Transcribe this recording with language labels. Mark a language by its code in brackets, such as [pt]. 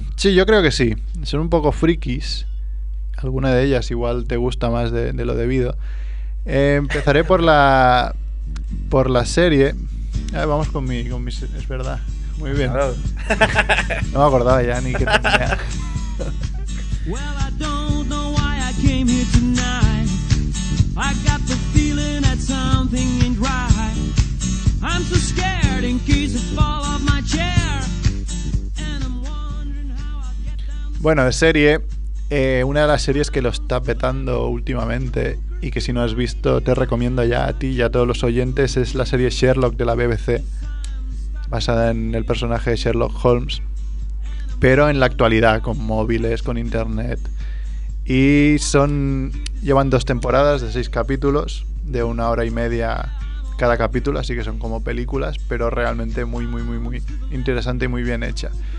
[es] Sí, yo creo que sí. Son un poco frikis. Alguna de ellas igual te gusta más de lo debido. Empezaré por la serie. A ver, vamos con mi... Es verdad. Muy bien. Claro. No me acordaba ya ni qué tenía. [en] Well, I don't know why I came here tonight. I got the feeling that something ain't right. I'm so scared in case I fall off my chair. And I'm wondering how I'll get down. [es] Bueno, de serie, una de las series que lo está petando últimamente y que si no has visto te recomiendo ya a ti y a todos los oyentes es la serie Sherlock de la BBC, basada en el personaje de Sherlock Holmes. Pero en la actualidad, con móviles, con internet. Y llevan 2 temporadas de 6 capítulos, de 1 hora y media cada capítulo, así que son como películas, pero realmente muy, muy, muy, muy interesante y muy bien hecha.